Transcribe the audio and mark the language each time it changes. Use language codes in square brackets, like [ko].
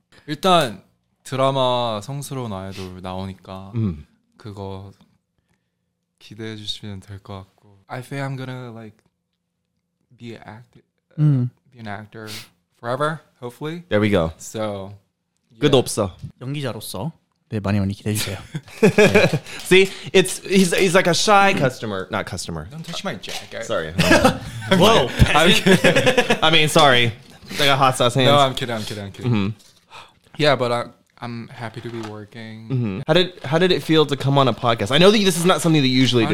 [ko] 일단 드라마 성스러운 아이돌 나오니까 그거 기대해 주시면 될 것 같고. [en] I think I'm gonna like be an actor forever, hopefully. There we go. So, [ko] 끝 없어. 연기자로서 네 많이 많이 기대해 주세요. [en] See, he's like a shy customer, not customer. Don't touch my jacket. Sorry. Whoa. I mean, sorry. I got hot sauce hands. No, I'm kidding. Mm-hmm. Yeah, but I'm happy to be working. Mm-hmm. How did it feel to come on a podcast? I know that this is not something that you usually do.